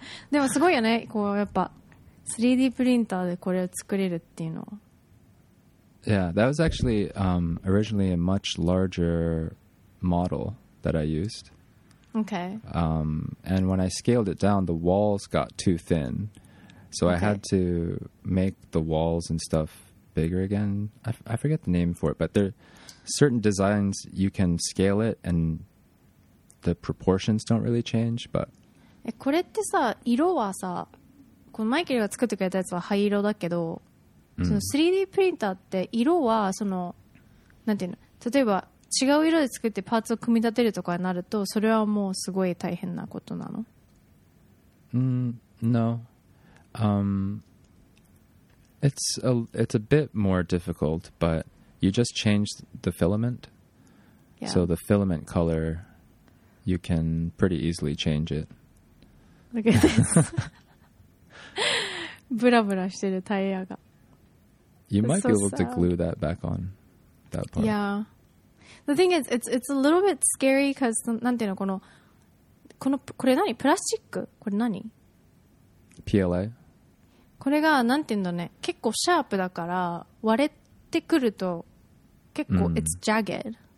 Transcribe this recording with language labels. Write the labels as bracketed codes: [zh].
[ja] でもすごいよね、こうやっぱ 3D プリンターでこれを作れるっていうのは。 [en] Yeah, that was actually originally a much larger model that I used. And when I scaled it down, the walls got too thin. So I had to make the walls and stuff bigger again. I forget the name for it, but there are certain designs you can scale it and the proportions don't really change. But... [ja] これってさ、色はさ、このマイケルが作ってくれたやつは灰色だけど、その3D プリンターって色はその、なんていうの、例えば、違う色で作ってパーツを組み立てるとかになるとそれはもうすごい大変なことなの？ [en] No. It's a bit more difficult, but you just change the filament. Yeah. So the filament color, you can pretty easily change it. Look at this. [ja] ブラブラしてるタイヤが。 [en] You might be able to glue that back on that part. Yeah. The thing is, it's a little bit scary because, [ja] なんていうの、この、これ何？ [en] プラスチック？これ何？ PLA。 [ja] これが、なんていうんだね、結構シャープだから、割れてくると、結構、 [en] it's jagged.